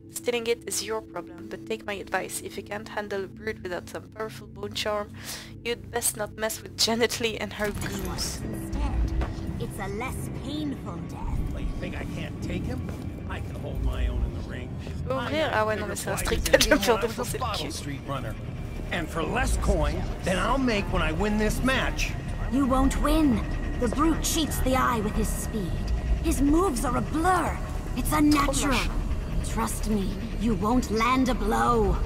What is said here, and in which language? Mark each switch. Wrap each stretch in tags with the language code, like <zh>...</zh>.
<en>Stealing it is your problem, but take my advice. If you can't handle a brute without some powerful bone charm, you'd best not mess with Janet Lee and her demons. Instead, it's a less painful death. Well, you think I can't take him? I can hold my own in the ring.</en> <fr>Ouvrir? Ah ouais, non, mais c'est un strict tête, je vais me faire défoncer le cul.</fr> <en>And for less coin than I'll make when I win this match. You won't win. The brute cheats the eye with his speed. His moves are a blur. It's unnatural. Oh, trust me, you won't land a blow.</en>